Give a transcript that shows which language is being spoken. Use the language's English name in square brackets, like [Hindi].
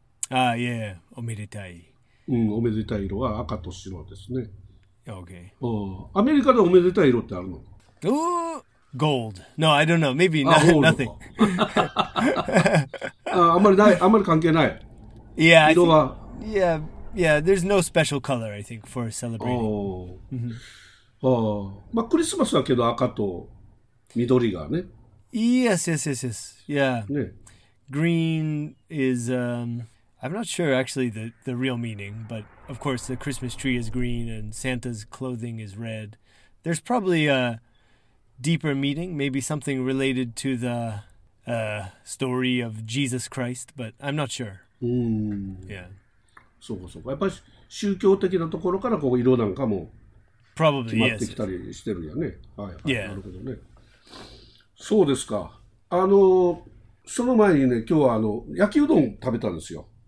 [English] Ah, yeah, [Japanese] おめでたい. うん、おめでたい色は赤と白ですね。 [English] Okay. [Japanese] アメリカでおめでたい色ってあるの? [English] Ooh, gold. No, I don't know. Maybe nothing. [Japanese] あんまりない、あんまり関係ない。 [English] Yeah, [Japanese] 色は。 [English] Yeah, there's no special color, I think, for celebrating. [Japanese] まあ、クリスマスだけど赤と緑がね。 [English] Yes, yes, yes, yes. Yeah. [Japanese] ね。 [English] Green is, I'm not sure actually the real meaning, but... Of course, the Christmas tree is green and Santa's clothing is red. There's probably a deeper meaning, maybe something related to the story of Jesus Christ, but I'm not sure. Yeah. [Japanese] そうかそうか。やっぱり宗教的なところからこう色なんかも [English] probably, [Japanese] 決まってきたりしてるよね。 [English] Yes. [Japanese] はい、はい、なるほどね。そうですか。あの、その前にね、今日はあの焼きうどん食べたんですよ。